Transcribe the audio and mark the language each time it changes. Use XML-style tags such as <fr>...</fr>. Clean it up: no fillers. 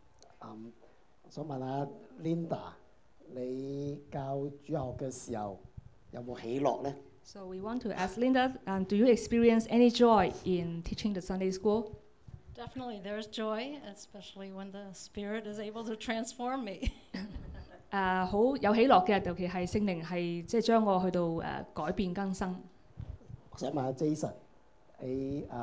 <yue>第六啊。哦，時間。想問下 Linda， 你教主學嘅時候有冇喜樂呢？</yue> <en>So we want to ask Linda, do you experience any joy in teaching the Sunday school? Definitely, there's joy, especially when the Spirit is able to transform me.</en> <yue>很有喜樂的，尤其是聖靈是將我去到改變更新。我想問下Jason，</yue>